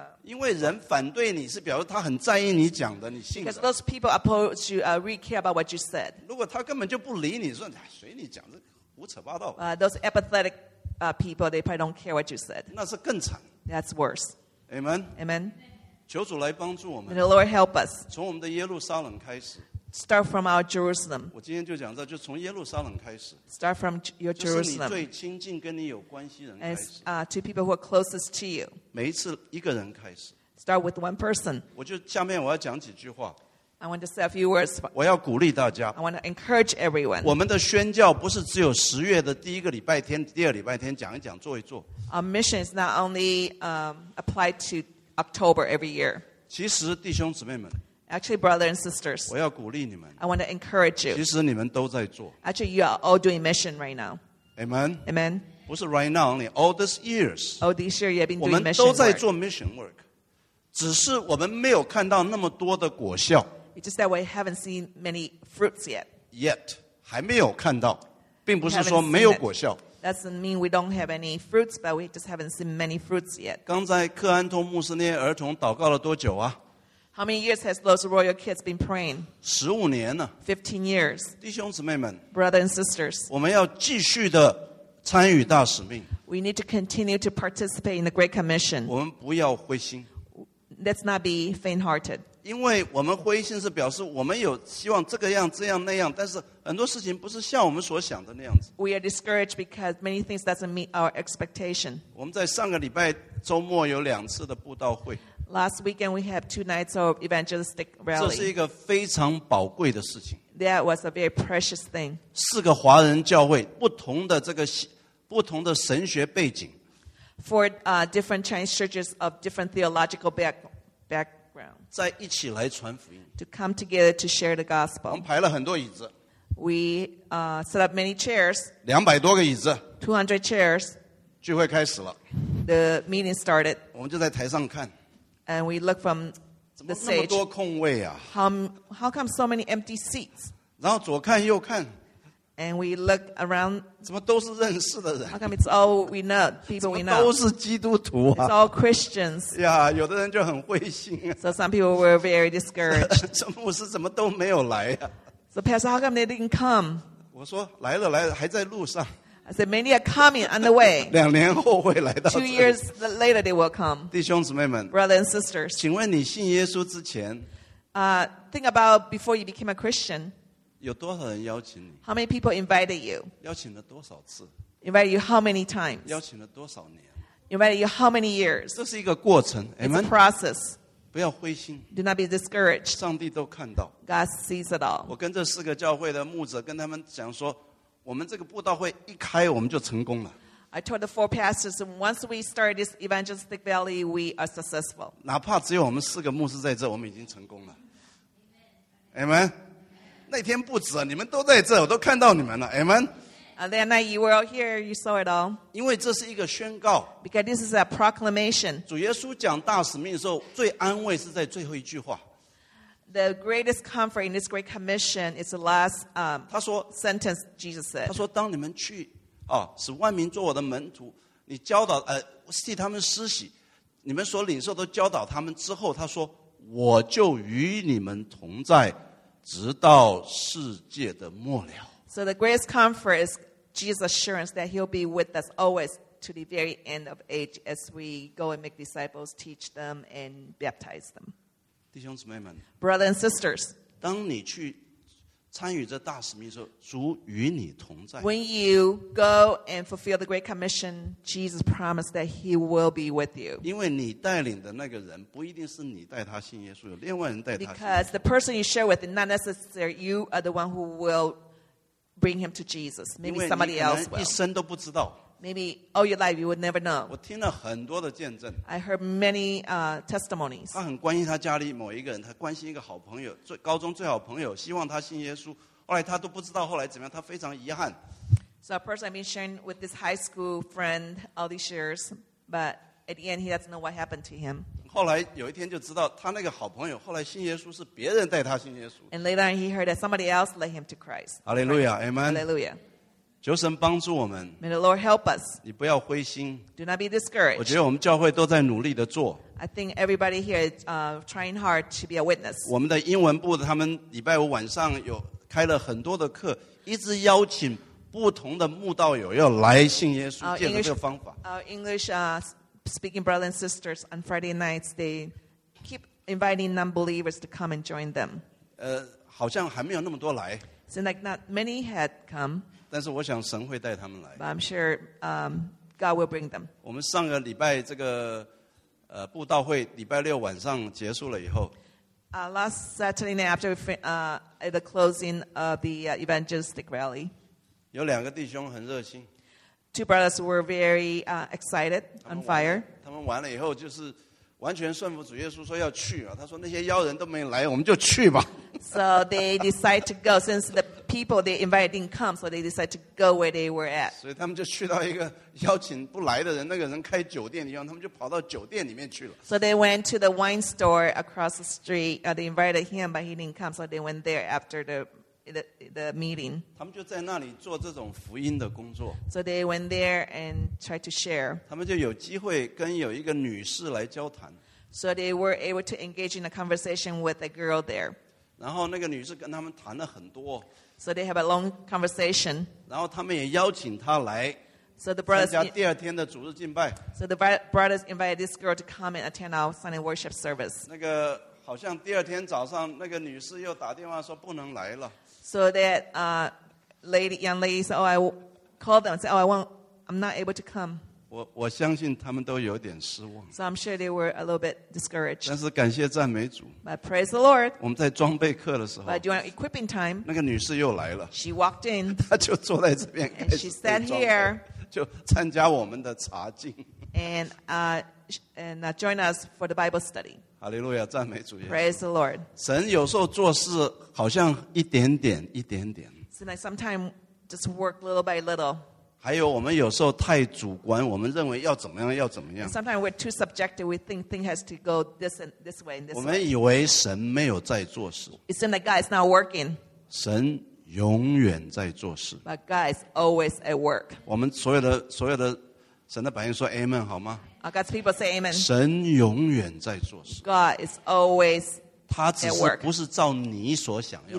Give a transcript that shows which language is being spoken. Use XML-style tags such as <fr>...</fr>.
<zh>因为人反对你是表示他很在意你讲的你信的。</zh> <en>Because those people oppose you, really care about what you said.</en> <zh>如果他根本就不理你说随你讲这胡扯八道。</zh> <en>Those apathetic,people, they probably don't care what you said.</en> <zh>那是更惨。</zh> <en>That's worse. Amen. Amen.</en> <zh>求主来帮助我们。</zh> <en>May the Lord help us.</en> <zh>从我们的耶路撒冷开始。</zh> <en>Start from our Jerusalem.</en> <zh>我今天就讲到，就从耶路撒冷开始。</zh> <en>Start from your Jerusalem.</en> <zh>就是你最亲近跟你有关系的人开始。</zh> <en>As to people who are closest to you.</en> <zh>每一次一个人开始。</zh> <en>Start with one person.</en> <zh>我就下面我要讲几句话。</zh> <en>I want to say a few words.</en> <zh>我要鼓励大家。</zh> <en>I want to encourage everyone.</en> <zh>我们的宣教不是只有十月的第一个礼拜天、第二礼拜天讲一讲、做一做。</zh> <en>Our mission is not only applied to October every year.</en> <zh>其实弟兄姊妹们。</zh> <en>Actually, brothers and sisters,</en> <zh>我要鼓励你们。</zh> <en>I want to encourage you.</en> <zh>其实你们都在做。</zh> <en>Actually, you are all doing mission right now. Amen. Amen.</en> <zh>不是</zh> <en>right now only, all these years. All these years, you have been doing mission work.</en> <zh>我们都在做</zh> <en>mission work.</en> <zh>只是我们没有看到那么多的果效。</zh> <en>It's just that we haven't seen many fruits yet. Yet,</en> <zh>还没有看到，并不是说没有果效。</zh> <en>That doesn't mean we don't have any fruits, but we just haven't seen many fruits yet.</en> <zh>刚才克安通牧师那些儿童祷告了多久啊？</zh> <en>How many years has those royal kids been praying?</en> <zh>15年呢</zh> <en>15 years.</en> <zh>弟兄姊妹们</zh> <en>Brothers and sisters.</en> <zh>我们要继续的参与大使命</zh> <en>We need to continue to participate in the Great Commission.</en> <zh>我们不要灰心</zh> <en>Let's not be faint-hearted.</en> <zh>因为我们灰心是表示我们有希望这个样、这样、那样，但是很多事情不是像我们所想的那样子</zh> <en>We are discouraged because many things doesn't meet our expectation.</en> <zh>我们在上个礼拜周末有两次的布道会</zh> <en>Last weekend, we had two nights of evangelistic rally.</en> <zh>这是一个非常宝贵的事情。</zh> <en>That was a very precious thing.</en> <zh>四个华人教会，不同的这个，不同的神学背景。</zh> <en>For different Chinese churches of different theological background.</en> <zh>在一起来传福音。</zh> <en>To come together to share the gospel.</en> <zh>我们排了很多椅子。</zh> <en>We set up many chairs.</en> <zh>200多个椅子。</zh> <en>200 chairs.</en> <zh>聚会开始了。</zh> <en>The meeting started.</en> <zh>我们就在台上看。</zh> <en>And we look from the stage.</en> <zh>怎么那么多空位啊？</zh> <en>How come so many empty seats?</en> <zh>然后左看右看。</zh> <en>And we look around.</en> <zh>怎么都是认识的人？</zh> <en>How come it's all we know, people we know?</en> <zh>怎么都是基督徒啊？</zh> <en>It's all Christians.</en> <zh>呀，有的人就很灰心啊。</zh> <en>So some people were very discouraged.</en> <zh>这牧师怎么都没有来啊？</zh> <en>So pastor, how come they didn't come?</en> <zh>我说来了来了，还在路上。</zh> <en>I said, many are coming on the way.</en> <zh>两年后会来到这里。</zh> <en>Two years later, they will come.</en> <zh>弟兄姊妹们</zh> <en>Brothers and sisters.</en> <zh>请问你信耶稣之前</zh> <en>Think about before you became a Christian.</en> <zh>有多少人邀请你</zh> <en>How many people invited you?</en> <zh>邀请了多少次</zh> <en>Invited you how many times?</en> <zh>邀请了多少年</zh> <en>Invited you how many years?</en> <zh>这是一个过程</zh> <en>It's a process.</en> <zh>不要灰心</zh> <en>Do not be discouraged.</en> <zh>上帝都看到</zh> <en>God sees it all.</en> <zh>我跟这四个教会的牧者跟他们讲说我们这个布道会一开我们就成功了。</zh> <en>I told the four pastors, once we start this evangelistic rally, we are successful.</en> <zh>哪怕只有我们四个牧师在这我们已经成功了。</zh> <en>Amen?</en> <zh>那天不止你们都在这我都看到你们了。</zh> <en>Amen? That night you were all here, you saw it all.</en> <zh>因为这是一个宣告。</zh> <en>Because this is a proclamation.</en> <zh>主耶稣讲大使命的时候最安慰是在最后一句话。</zh> <en>The greatest comfort in this great commission is the last</en> <zh>他说,</zh> <en>sentence Jesus said.</en> <zh>他说当你们去、哦、使万民做我的门徒你教导、替他们施洗你们所领受的教导他们之后他说我就与你们同在直到世界的末了。</zh> <en>So the greatest comfort is Jesus' assurance that he'll be with us always to the very end of age as we go and make disciples, teach them and baptize them.</en> <zh>弟兄姊妹们</zh> <en>Brothers and sisters,</en> <zh>当你去参与这大使命的时候主与你同在</zh> <en>When you go and fulfill the Great Commission Jesus promised that he will be with you</en> <zh>因为你带领的那个人不一定是你带他信耶稣有另外人带他信耶稣</zh> <en>Because the person you share with not necessarily you are the one who will bring him to Jesus Maybe somebody else will</en> <zh>因为你可能一生都不知道</zh> <en>Maybe all your life you would never know.</en> <zh>我听了很多的见证。</zh> <en>I heard many testimonies.</en> <zh>他很关心他家里某一个人，他关心一个好朋友，最高中最好朋友，希望他信耶稣。后来他都不知道后来怎么样，他非常遗憾。</zh> <en>So a person I've been sharing with this high school friend all these years, but at the end he doesn't know what happened to him.</en> <zh>后来有一天就知道他那个好朋友后来信耶稣是别人带他信耶稣。</zh> <en>And later on he heard that somebody else led him to Christ. Hallelujah, Amen. Hallelujah.</en> <zh>求神帮助我们</zh> <en>May the Lord help us.</en> <zh>你不要灰心</zh> <en>Do not be discouraged.</en> <zh>我觉得我们教会都在努力地做</zh> <en>I think everybody here is trying hard to be a witness.</en> <zh>我们的英文部他们礼拜五晚上有开了很多的课一直邀请不同的慕道友要来信耶稣借着这个方法</zh> <en>Our English speaking brothers and sisters on Friday nights they keep inviting non-believers to come and join them.</en> <zh>好像还没有那么多来。</zh> <en>Seemed like not many had come.</en> <zh>但是我想神会带他们来。</zh> <en>But I'm sure, God will bring them.</en> <zh>我们上个礼拜这个布道会礼拜六晚上结束了以后。</zh> <en>Last Saturday night after the closing of the evangelistic rally.</en> <zh>有两个弟兄很热心。</zh> <en>Two brothers were very excited, on fire.</en> <zh>他们完了以后就是。完全顺服主耶稣说要去啊，他说那些妖人都没来，我们就去吧。</zh> <en>So they decide to go since the people they invited didn't come, so they decide to go where they were at.</en> <zh>所以他们就去到一个邀请不来的人，那个人开酒店的地方，他们就跑到酒店里面去了。</zh> <en>So they went to the wine store across the street. They invited him, but he didn't come, so they went there after the meeting.</en> <zh>他们就在那里做这种福音的工作。</zh> <en>So they went there and tried to share.</en> <zh>他们就有机会跟有一个女士来交谈。</zh> <en>So they were able to engage in a conversation with a girl there.</en> <zh>然后那个女士跟他们谈了很多。</zh> <en>So they have a long conversation.</en> <zh>然后他们也邀请她来。</zh> <en>So the brothers</en> <zh>参加第二天的主日敬拜。</zh> <en>So the brothers invited this girl to come and attend our Sunday worship service.</en> <zh>那个好像第二天早上那个女士又打电话说不能来了。</zh> <en>So that young lady said, "Oh, I called them. Said, 'Oh, I won't. I'm not able to come.'"</en> <zh>我相信他们都有点失望。</zh> <en>So I'm sure they were a little bit discouraged.</en> <zh>但是感谢赞美主。</zh> <en>But praise the Lord.</en> <zh>我们在装备课的时候。</zh> <en>But during equipping time.</en> <zh>那个女士又来了。</zh> <en>She walked in.</en> <zh>她就坐在这边。</zh> <en>And she sat here.</en> <zh>就参加我们的查经。</zh> <en>And join us for the Bible study.</en> <zh>Hallelujah, 赞美主耶稣。</zh> <en>Praise the Lord.</en> <zh>神有时候做事好像一点点一点点。</zh> <en>So like sometimes just work little by little.</en> <zh>还有我们有时候太主观，我们认为要怎么样要怎么样。</zh> <en>Sometimes we're too subjective. We think things has to go this and this way and this way.</en> <zh>我们以为神没有在做事。</zh> <en>It seems like God is not working.</en> <zh>神永远在做事。</zh> <en>But God is always at work.</en> <zh>我们所有的神的百姓说 Amen 好吗？</zh> <en>God's people say amen.</en> <zh>神永远在做事。</zh> <en>God is always at work.</en> <zh>他只是不是照你所想要</zh>